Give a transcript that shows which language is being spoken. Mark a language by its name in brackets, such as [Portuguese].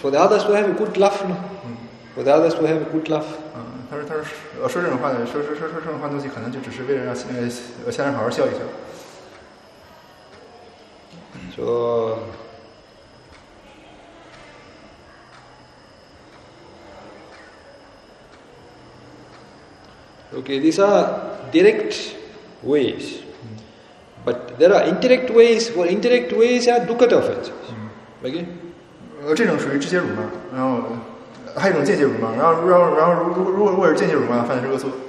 [English] for the others who have a good laugh, no? For the others who have a good laugh. [Chinese] 他说这种话的东西，可能就只是为了让其他人好好笑一笑。 [English] So, okay, these are direct ways, but there are indirect ways. Well, indirect ways are dukkha offenses. Okay. [Chinese] 这种属于直接辱骂，然后还有一种间接辱骂，然后如果是间接辱骂，犯的是恶俗。